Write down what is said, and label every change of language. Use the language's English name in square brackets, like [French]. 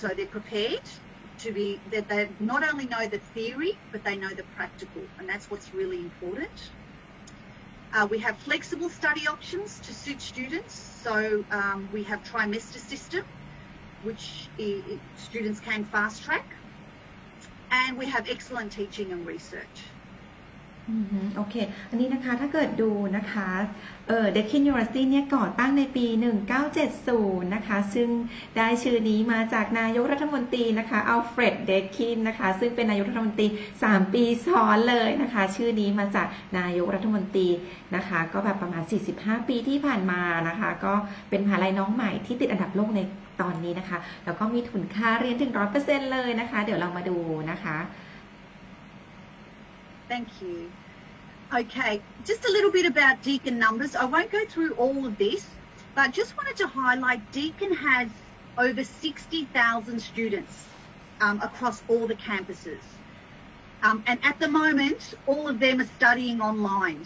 [English] So they're prepared to be that they not only know the theory, but they know the practical, and that's what's really important. We have flexible study options to suit students. So we have trimester system, which students can fast track. And we have excellent teaching and research. [Thai] โอเคอันนี้นะคะถ้าเกิดดูนะคะDeakin University เนี่ยก่อตั้งในปี1970นะคะซึ่งได้ชื่อนี้มาจากนายกรัฐมนตรีนะคะอัลเฟรดเดคินนะคะซึ่งเป็นนายกรัฐมนตรี3ปีซ้อนเลยนะคะชื่อนี้มาจากนายกรัฐมนตรีนะคะก็แบบประมาณ45ปีที่ผ่านมานะคะก็เป็นมหาลัยน้องใหม่ที่ติดอันดับโลกในตอนนี้นะคะแล้วก็มีทุนค่าเรียนถึง 100% เลยนะคะเดี๋ยวเรามาดูนะคะ [English] Thank you. Okay, just a little bit about Deakin numbers. I won't go through all of this, but just wanted to highlight Deakin has over 60,000 students across all the campuses. And at the moment, all of them are studying online.